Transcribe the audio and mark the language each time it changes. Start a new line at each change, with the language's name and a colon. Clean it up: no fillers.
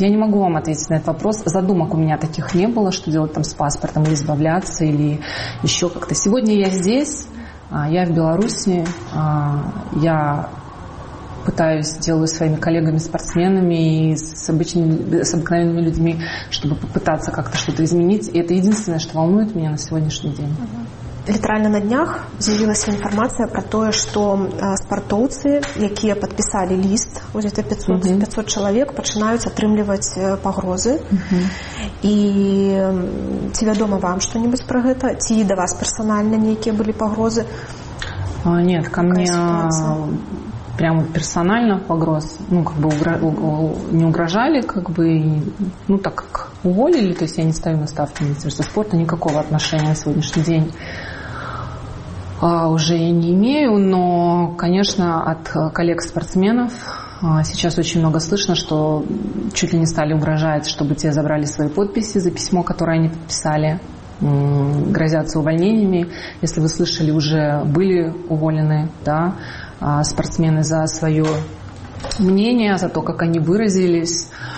Russian: Я не могу вам ответить на этот вопрос. Задумок у меня таких не было, что делать там с паспортом, или избавляться, или еще как-то. Сегодня я здесь, я в Беларуси, я пытаюсь, делаю своими коллегами-спортсменами и с обыкновенными людьми, чтобы попытаться как-то что-то изменить. И это единственное, что волнует меня на сегодняшний день.
Belarusian: Литерально на днях з'явилася інфармацыя пра тое, што спартоўцы, якія падпісалі ліст, вось гэта 500 чалавек, пачынаюць атрымліваць пагрозы. І ці вядома вам што-небудзь пра гэта? Ці да вас персанальна нейкія былі пагрозы?
Russian: Нет, ко мне прямо персонально погроз, ну, как бы не угрожали, как бы, ну, так как уволили, то есть я не ставлю на ставки Министерства спорта, никакого отношения на сегодняшний день уже я не имею, но, конечно, от коллег-спортсменов сейчас очень много слышно, что чуть ли не стали угрожать, чтобы те забрали свои подписи за письмо, которое они подписали, грозятся увольнениями, если вы слышали, уже были уволены, да, спортсмены за свое мнение, за то, как они выразились.